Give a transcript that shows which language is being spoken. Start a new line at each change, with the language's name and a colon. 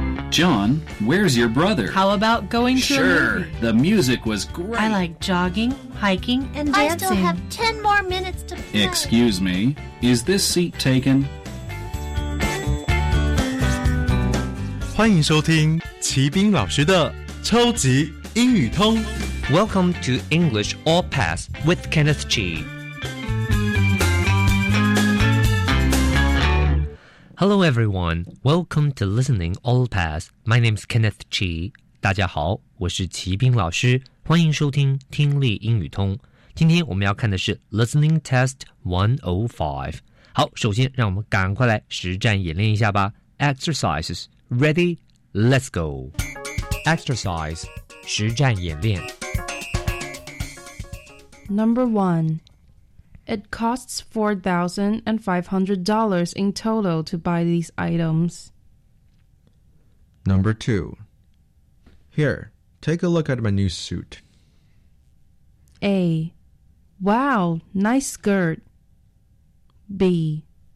English: John, where's your brother? How about going to Sure, the music was great. I like jogging, hiking, and dancing. I still have 10 more minutes to play. Excuse me, is this seat taken?
Chinese: 欢迎收听齐宾老师的超级英语通。
English: Welcome to English All Pass with Kenneth G. Hello everyone, welcome to Listening All Pass. My name is Kenneth G.
Chinese: 大家好，我是齐宾老师，欢迎收听听力英语通。今天我们要看的是 Listening Test 105。好，首先让我们赶快来实战演练一下吧。
English: Exercises, ready, let's go. Exercise,
Chinese: 实战演练。
English: Number 1. It costs $4,500 in total to buy these items. Number 2. Here, take a look at my new suit. A. Wow, nice skirt. B.